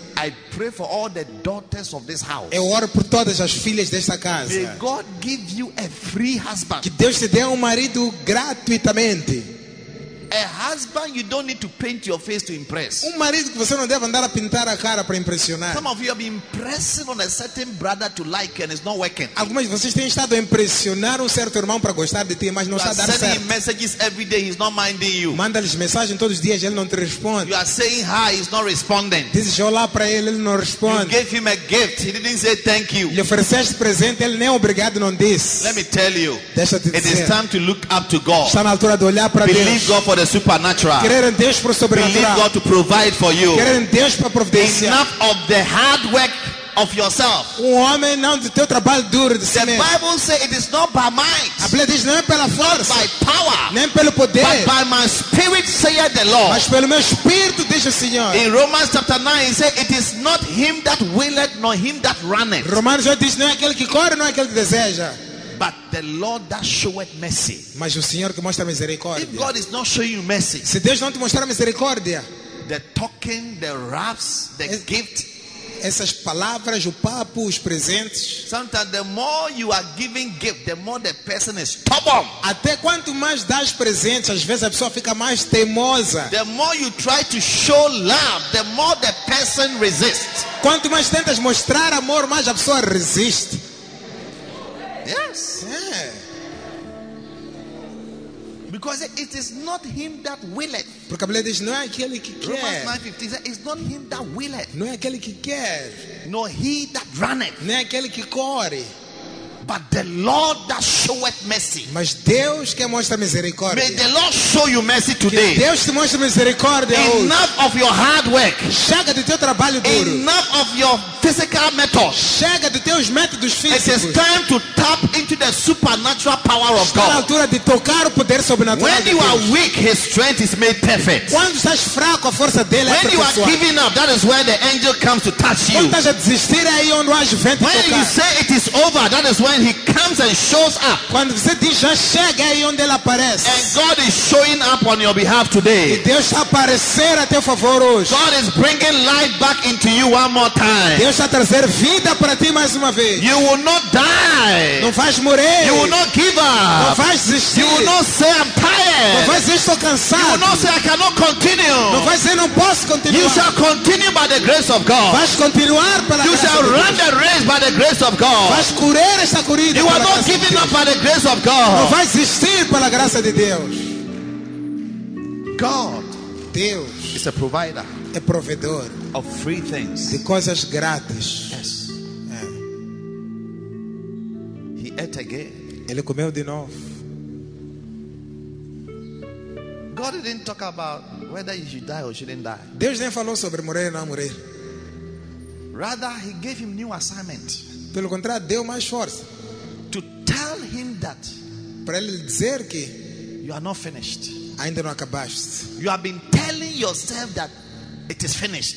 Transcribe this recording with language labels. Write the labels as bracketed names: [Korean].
[English] I pray for all the daughters of this house. [Portuguese] Eu oro por todas as filhas desta casa. [English] May God give you a free husband. [Portuguese] Que Deus te dê marido gratuitamente. [English] A husband you don't need to paint your face to impress. [Portuguese] Marido que você não deve andar a pintar a cara para impressionar. [English] Some of you have been impressing on a certain brother to like and it's not working. [Portuguese] Algumas de vocês têm estado a impressionar certo irmão para gostar de ti, mas não está dando certo. [English] You are sending messages every day, he's not minding you. [Portuguese] Manda-lhes mensagem todos os dias, ele não te responde. [English] You are saying hi, he's not responding. [Portuguese] Dizes olá para ele, ele não responde. [English] You gave him a gift, he didn't say thank you. [Portuguese] Lhe ofereceste presente, ele nem obrigado não disse. [English] Let me tell you. [Portuguese] Deixa-te dizer. [English] It is time to look up to God. [Portuguese] Está na altura de olhar para [English] Believe [Portuguese] Deus. [English] God for the supernatural. [Portuguese] Querer em Deus para o sobrenatural. [English] Believe God to provide for you. [Portuguese] Querer em Deus para providenciar. [English] Enough of the hard work of yourself. [Portuguese] Homem, não do teu trabalho duro de si mesmo. [English] The Bible says it is not by might. [Portuguese] A Bíblia diz não é pela força. [English] Not by power. [Portuguese] Nem pelo poder. [English] But by my spirit saith the Lord. [Portuguese] Mas pelo meu espírito diz o Senhor. [English] In Romans chapter 9 he says it is not him that willeth nor him that runneth. [Portuguese] Romanos 8 diz não é aquele que corre, não é aquele que deseja. [English] But the Lord that showeth mercy. [Portuguese] Mas o Senhor que mostra misericórdia. [English] If God is not showing you mercy. [Portuguese] Se Deus não te mostrar misericórdia. [English] The talking, the raps, the gift. [Portuguese] Essas palavras, o papo, os presentes. [English] Sometimes the more you are giving gift, the more the person is stubborn. [Portuguese] Até quanto mais dás presentes, às vezes a pessoa fica mais teimosa. [English] The more you try to show love, the more the person resists. [Portuguese] Quanto mais tentas mostrar amor, mais a pessoa resiste. [English] Yes. Yeah. Because it is not him that willeth. [Portuguese] Porque a Bíblia diz, não é aquele que quer. [English] Romans 9:15 says, it's not him that willeth. [Portuguese] Não é aquele que quer. [English] Nor he that runneth. [Portuguese] Não é aquele que corre. [English] But the Lord that showeth mercy. [Portuguese] Mas Deus que mostra misericórdia. [English] May the Lord show you mercy today. [Portuguese] Que Deus te mostre misericórdia. [English] Enough of your hard work. [Portuguese] Chega do teu trabalho duro. [English] Enough of your physical methods. [Portuguese] Chega do teus métodos físicos. [English] It is time to tap into the supernatural power of God. [Portuguese] Está na altura de tocar o poder sobrenatural. [English] When you are weak, his strength is made perfect. [Portuguese] Quando estás fraco, a força dele é aperfeiçoada. [English] When you are giving up, that is where the angel comes to touch you. [Portuguese] Quando estás a desistir, aí onde o anjo vem tocar. [English] When you say it is over, that is when he comes and shows up. [Portuguese] Quando você diz já chega, aí onde ele aparece. [English] And God is showing up on your behalf today. [Portuguese] E Deus está a aparecer a teu favor hoje. [English] God is bringing light back into you one more time. [Portuguese] Deus está a trazer vida para ti mais uma vez. [English] You will not die. [Portuguese] Não vais morrer. [English] You will not give up. [Portuguese] Não vais desistir. [English] You will not say I'm tired. [Portuguese] Não vais dizer estou cansado. [English] You will not say I cannot continue. [Portuguese] Não vais dizer não posso continuar. [English] You shall continue by the grace of God. [Portuguese] Vais continuar pela [English] you [Portuguese] graça de Deus. [English] You shall run the race by the grace of God. [Portuguese] Vais correr esta corrida. [English] You are not giving up by the grace of God. [Portuguese] Não vais desistir pela graça de Deus. [English] God, [Portuguese] Deus, [English] is a provider. [Portuguese] É provedor. [English] Of free things. [Portuguese] De coisas grátis. [English] Yes. [Portuguese] É. [English] He ate again. [Portuguese] Ele comeu de novo. [English] God didn't talk about whether you should die or shouldn't die. [Portuguese] Deus nem falou sobre morrer ou não morrer. [English] Rather, he gave him new assignment. [Portuguese] Pelo contrário, deu mais força. [English] To tell him that. [Portuguese] Para ele dizer que. [English] You are not finished. [Portuguese] Ainda não acabaste. [English] You have been telling yourself that. It is finished.